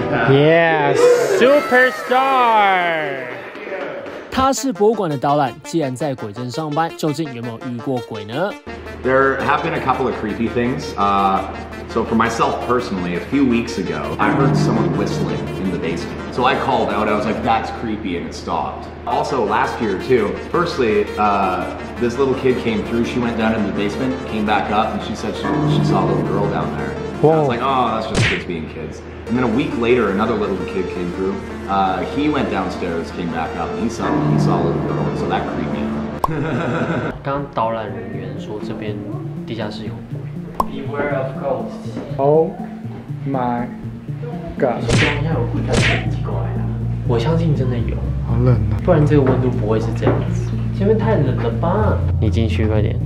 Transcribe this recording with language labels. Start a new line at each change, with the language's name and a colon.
English: Yes, superstar.
Chinese: 他是博物馆的导览，既然在鬼镇上班，究竟有没有遇过鬼呢？
English: There have been a couple of creepy things. So for myself personally, a few weeks ago, I heard someone whistling in the basement. So I called out. I was like, "That's creepy," and it stopped. Also, last year too. Firstly, this little kid came through. She went down in the basement, came back up, and she said she saw a little girl down there. Whoa. I was like, "Oh, that's just kids being kids." And then a week later, another little kid came through. He went downstairs, came back up, and he saw a little girl. So that creeped me out.
Chinese: 刚刚导览人员说这边地下室有鬼。
English: Beware of ghosts. Oh my god.
Chinese: 这边有鬼，但是很奇怪啊。我相信真的有。好冷啊！不然这个温度不会是这样子。前面太冷了吧？你进去快点。